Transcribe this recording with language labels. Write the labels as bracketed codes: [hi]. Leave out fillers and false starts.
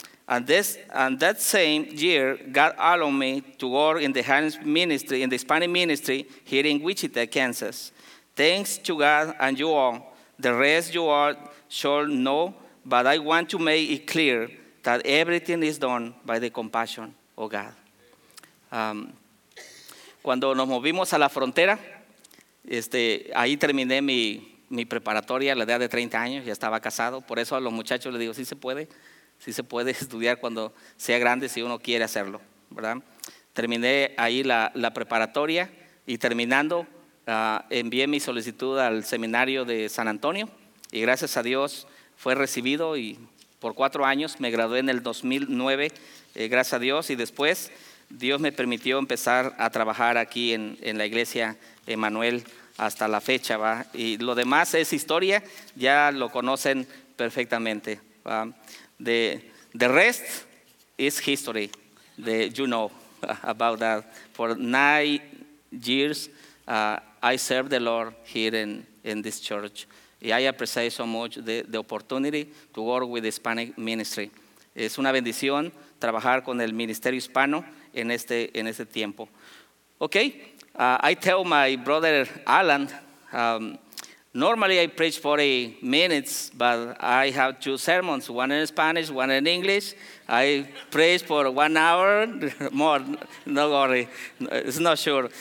[en] And that same year, God allowed me to work in the Hispanic ministry, here in Wichita, Kansas. Thanks to God and you all, the rest you all shall know, but I want to make it clear that everything is done by the compassion of God. [es] Cuando nos movimos a la frontera, ahí terminé mi preparatoria a la edad de 30 años, ya estaba casado. Por eso a los muchachos les digo, sí se puede. Sí se puede estudiar cuando sea grande, si uno quiere hacerlo, ¿verdad? Terminé ahí la preparatoria y terminando envié mi solicitud al seminario de San Antonio y gracias a Dios fue recibido y por 4 años me gradué en el 2009, gracias a Dios. Y después Dios me permitió empezar a trabajar aquí en la iglesia Immanuel hasta la fecha, ¿va? Y lo demás es historia, ya lo conocen perfectamente, ¿va? [en] The rest is history, you know about that. For 9 years, I served the Lord here in this church. I appreciate so much the opportunity to work with the Hispanic ministry. [es] Es una bendición trabajar con el ministerio hispano en este tiempo. [en] Okay, I tell my brother Alan, normally I preach 40 minutes, but I have 2 sermons, one in Spanish, one in English. I preach for 1 hour more, no worry, it's not sure.